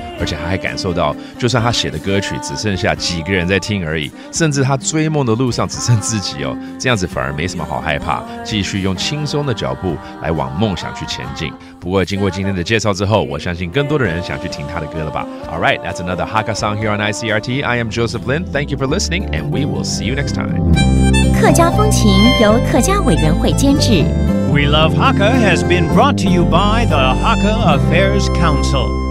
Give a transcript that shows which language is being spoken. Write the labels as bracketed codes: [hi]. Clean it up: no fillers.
[zh] 而且他还感受到，就算他写的歌曲只剩下几个人在听而已，甚至他追梦的路上只剩自己哦，这样子反而没什么好害怕，继续用轻松的脚步来往梦想去前进。不过经过今天的介绍之后，我相信更多的人想去听他的歌了吧。 [en] Alright, that's another Hakka song here on ICRT. I am Joseph Lin. Thank you for listening, and we will see you next time. [zh] 客家风情由客家委员会监制。 [en] We Love Hakka has been brought to you by the Hakka Affairs Council.